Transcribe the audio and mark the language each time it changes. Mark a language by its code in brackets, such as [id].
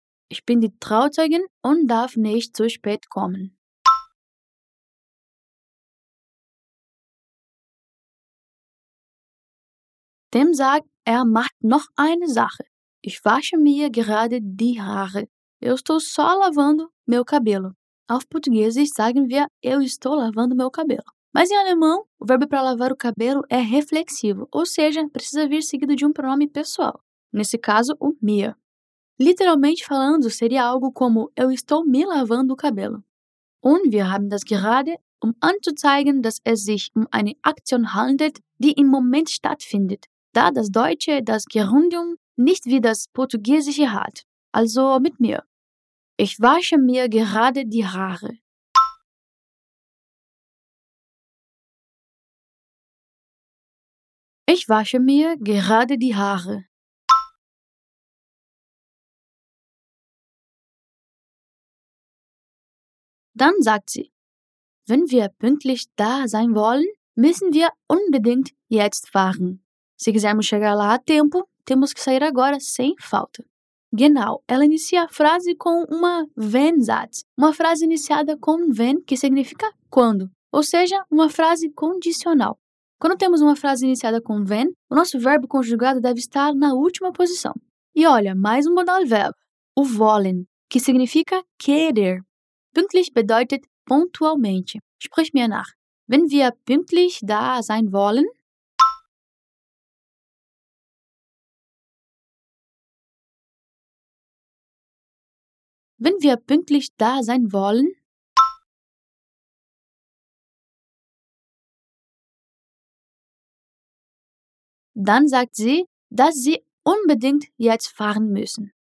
[de] Ich bin die Trauzeugin und darf nicht zu spät kommen. Tim sagt, er macht noch eine Sache. Ich wasche mir gerade die Haare. [pt] Eu estou só lavando meu cabelo. [de] Auf Portugiesisch sagen wir, [pt] eu estou lavando meu cabelo. Mas em alemão, o verbo para lavar o cabelo é reflexivo, ou seja, precisa vir seguido de um pronome pessoal. Nesse caso, o mir. Literalmente falando, seria algo como eu estou me lavando o cabelo. [de] Und wir haben das gerade, anzuzeigen, dass es sich eine Aktion handelt, die im Moment stattfindet, da das Deutsche das Gerundium nicht wie das Portugiesische hat. Also mit mir. Ich wasche mir gerade die Haare. Ich wasche mir gerade die Haare. Dann sagt sie, wenn wir pünktlich da sein wollen, müssen wir unbedingt jetzt fahren. [pt] Se quisermos chegar lá a tempo, temos que sair agora sem falta. Genau, ela inicia a frase com uma Wenn-Satz, uma frase iniciada com wenn, que significa quando, ou seja, uma frase condicional. Quando temos uma frase iniciada com wenn, o nosso verbo conjugado deve estar na última posição. E olha, mais um Modalverb, o wollen, que significa querer. [de] Pünktlich bedeutet pontualmente. Sprich mir nach. Wenn wir pünktlich da sein wollen, wenn wir pünktlich da sein wollen, dann sagt sie, dass sie unbedingt jetzt fahren müssen.